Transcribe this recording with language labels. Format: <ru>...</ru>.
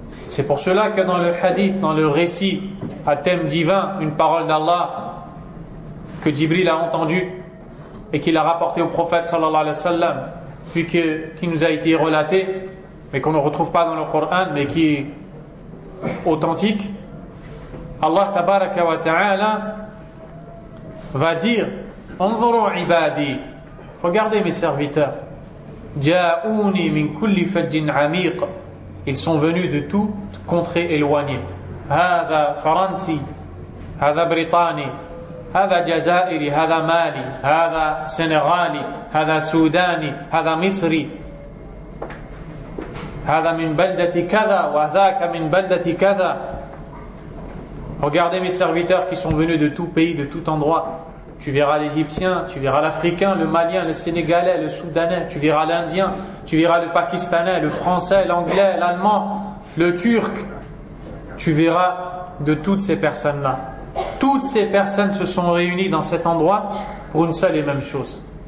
<fr>C'est pour cela que dans le hadith, dans le récit à thème divin, une parole d'Allah que Jibril a entendue et qu'il a rapportée au prophète sallallahu alayhi wa sallam, puis qui nous a été relatée, mais qu'on ne retrouve pas dans le Coran, mais qui est authentique, Allah tabaraka wa ta'ala va dire</fr> <ar>انظروا عبادي,</ar> <fr>regardez mes serviteurs,</fr> <ar>جاءوني من كل فج عميق,</ar> <fr>ils sont venus de toute contrée éloignée.</fr> <ar>هذا فرنسي هذا بريطاني هذا جزائري هذا مالي هذا سنغالي هذا سوداني هذا مصري هذا من بلدة كذا وذاك من بلدة كذا.</ar> <fr>Regardez mes serviteurs qui sont venus de tout pays, de tout endroit. Tu verras l'Égyptien, tu verras l'Africain, le Malien, le Sénégalais, le Soudanais, tu verras l'Indien, tu verras le Pakistanais, le Français, l'Anglais, l'Allemand, le Turc. Tu verras de toutes ces personnes-là. Toutes ces personnes se sont réunies dans cet endroit pour une seule et même chose.</fr>